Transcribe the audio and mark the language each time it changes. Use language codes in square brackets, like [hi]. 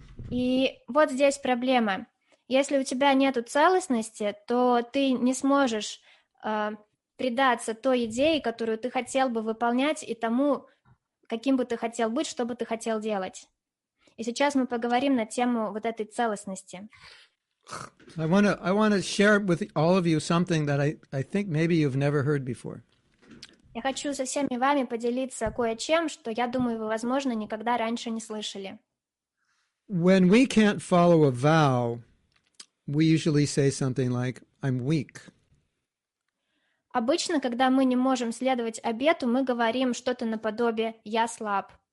[ru] И вот здесь проблема. Если у тебя нету целостности, то ты не сможешь предаться той идее, которую ты хотел бы выполнять, и тому, каким бы ты хотел быть, что бы ты хотел делать. И сейчас мы поговорим на тему вот этой целостности. [en] I want to share with all of you something that I think maybe you've never heard before. [ru] Я хочу со всеми вами поделиться кое-чем, что, я думаю, вы, возможно, никогда раньше не слышали. [en] When we can't follow a vow, we usually say something like, I'm weak. [ru] Обычно, когда мы не можем следовать обету, мы говорим что-то наподобие «я слаб».